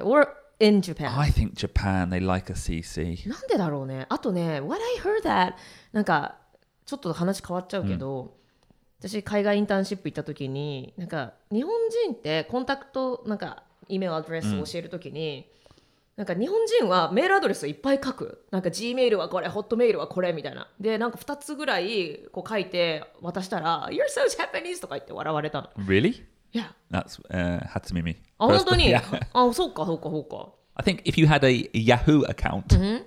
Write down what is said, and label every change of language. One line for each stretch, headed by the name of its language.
English: Or... In Japan. I think Japan, they like a CC.
Japanese: なんでだろうね。あとね、
English: what I heard that,
Japanese: なんか、ちょっと話変わっちゃうけど、私、海外インターンシップ行った時に、なんか、日本人ってコンタクト、なんか、イメールアドレスを教える時に、なんか、日本人はメールアドレスをいっぱい書く。なんか、Gmail はこれ、Hotmail はこれ、みたいな。で、なんか、2つぐらい、こう書いて、渡したら、
English: You're so Japanese!
Japanese: とか言って笑われたの。
English: Really? That's Hatsumimi. Oh, really? Yeah.
Japanese: Oh, そうかそうかそうか.
English: I think if you had a Yahoo account, mm-hmm.